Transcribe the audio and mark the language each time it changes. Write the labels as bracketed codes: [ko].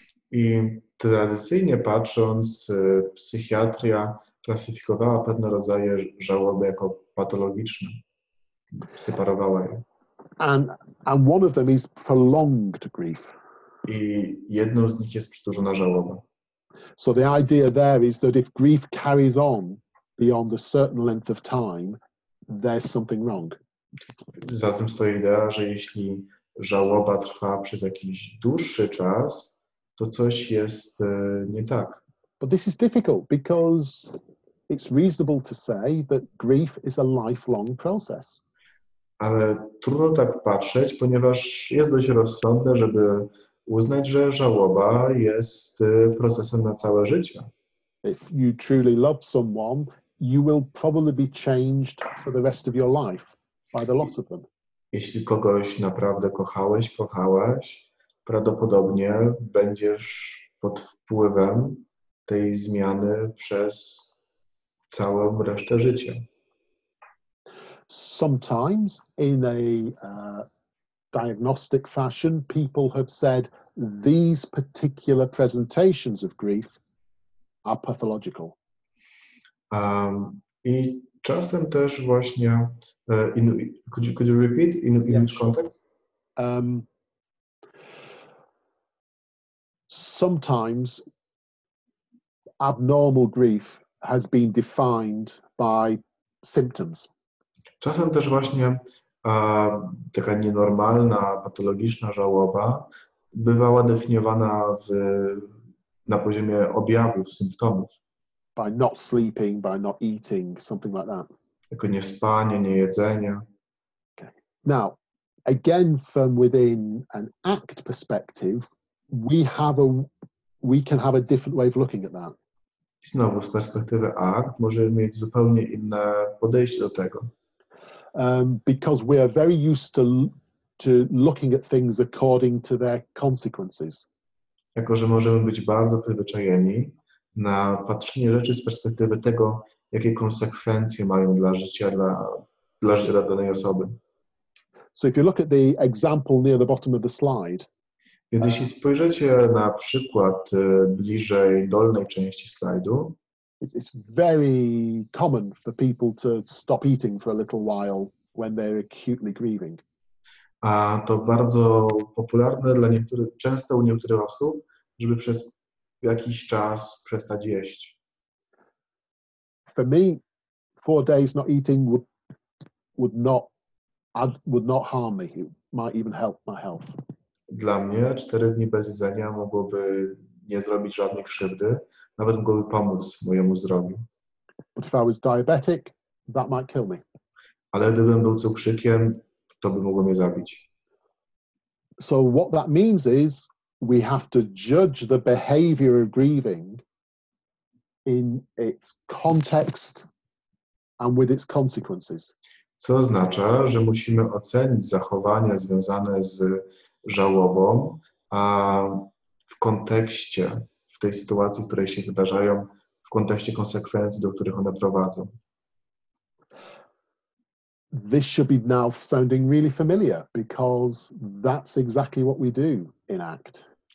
[pl] I tradycyjnie patrząc, psychiatria klasyfikowała pewne rodzaje żałoby jako patologiczne, separowała je. [en] And one of them is prolonged grief. [pl] I jedną z nich jest przedłużona żałoba. [en] So the idea there is that if grief carries on beyond a certain length of time, there's something wrong. [pl] Za tym stoi idea, że jeśli żałoba trwa przez jakiś dłuższy czas, to coś jest nie tak. [en] But this is difficult because it's reasonable to say that grief is a lifelong process. [pl] Ale trudno tak patrzeć, ponieważ jest dość rozsądne, żeby uznać, że żałoba jest procesem na całe życie. [en] If you truly love someone, you will probably be changed for the rest of your life by the loss of them. [pl] Jeśli kogoś naprawdę kochałeś, kochałaś, prawdopodobnie będziesz pod wpływem tej zmiany przez całą resztę życia. [en] Sometimes in a diagnostic fashion, people have said these particular presentations of grief are pathological. [pl] I czasem też właśnie [en] could you repeat in yeah, each context? Sometimes abnormal grief has been defined by symptoms. [pl] Czasem też właśnie taka nienormalna, patologiczna żałoba bywała definiowana na poziomie objawów, symptomów. [en] By not sleeping, by not eating, something like that. [pl] Jako niespanie, niejedzenie. [en] Okay. Now, again from within an ACT perspective, we can have a different way of looking at that. [pl] Znowu, z perspektywy ACT możemy mieć zupełnie inne podejście do tego. [en] Because we are very used to looking at things according to their consequences. [pl] Jako że możemy być bardzo przyzwyczajeni na patrzenie rzeczy z perspektywy tego, jakie konsekwencje mają dla życia danej osoby. [en] So if you look at the example near the bottom of the slide. [pl] Więc jeśli spojrzycie na przykład bliżej dolnej części slajdu. [en] It's very common for people to stop eating for a little while when they're acutely grieving. [pl] A to bardzo popularne dla niektórych, często u niektórych osób, żeby przez w jakiś czas przestać jeść. [en] For me, 4 days not eating would not harm me. It might even help my health. [pl] Dla mnie 4 dni bez jedzenia mogłoby nie zrobić żadnej krzywdy, nawet mogłoby pomóc mojemu zdrowiu. [en] But if I was diabetic, that might kill me. [pl] Ale gdybym był cukrzykiem, to by mogło mnie zabić. [en] So what that means is we have to judge the behavior of grieving in its context and with its consequences. [pl] Co oznacza, że musimy ocenić zachowania związane z żałobą w kontekście, w tej sytuacji, w której się wydarzają, w kontekście konsekwencji, do których one prowadzą. [en] This should be now sounding really familiar because that's exactly what we do in ACT.